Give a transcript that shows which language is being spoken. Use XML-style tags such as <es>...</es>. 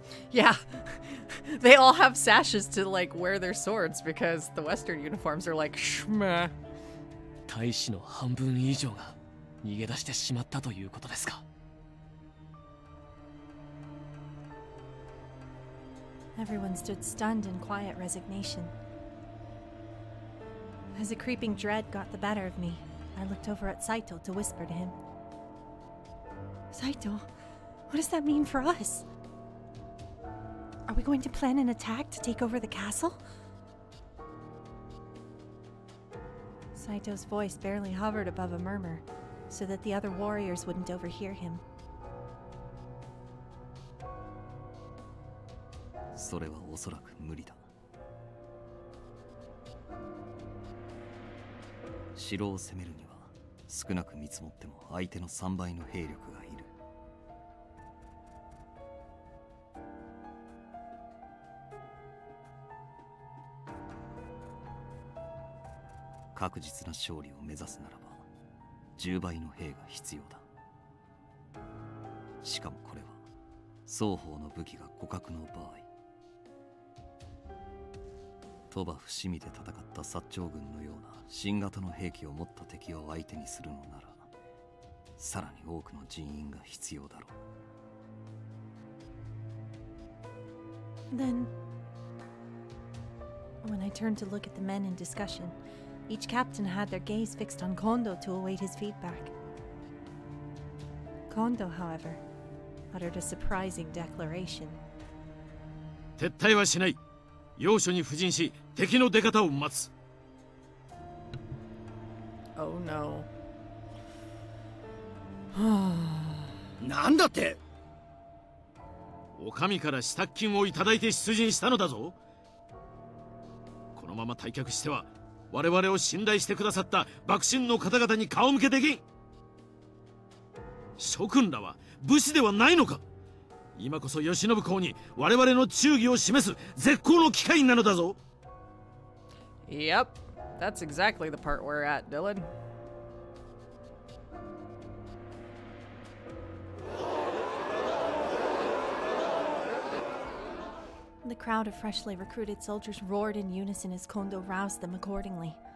<en>Yeah, they all have sashes to like wear their swords because the Western uniforms are like shmeh.</en> <ja>大使の半分以上が逃げ出してしまったということですか。</ja> <en>Everyone stood stunned in quiet resignation. As a creeping dread got the better of me, I looked over at Saito to whisper to him. Saito, what does that mean for us? Are we going to plan an attack to take over the castle? Saito's voice barely hovered above a murmur, so that the other warriors wouldn't overhear him.</en> <ja>それはおそらく無理だ。城を攻めるには少なく見積もっても相手の3倍の兵力がいる。確実な勝利を目指すならば10倍の兵が必要だ。しかもこれは双方の武器が互角の場合。鳥羽伏見で戦った薩長軍のような新型の兵器を持った敵を相手にするのなら、さらに多くの人員が必要だろう。</ja> <en>Then, when I turned to look at the men in discussion, each captain had their gaze fixed on Kondo to await his feedback. Kondo, however, uttered a surprising declaration.</en> <ja>撤退はしない。要所に布陣し、敵の出方を待つ。</ja> <en>Oh no.</en> <ja>なんだって。お上から支度金をいただいて出陣したのだぞ。このまま退却しては、我々を信頼してくださった幕臣の方々に顔向けできん。諸君らは武士ではないのか。今こそ慶喜公に我々の忠義を示す絶好の機会なのだぞ。</ja> <en>Yep, that's exactly the part we're at, Dylan. The crowd of freshly recruited soldiers roared in unison as Kondo roused them accordingly.</en>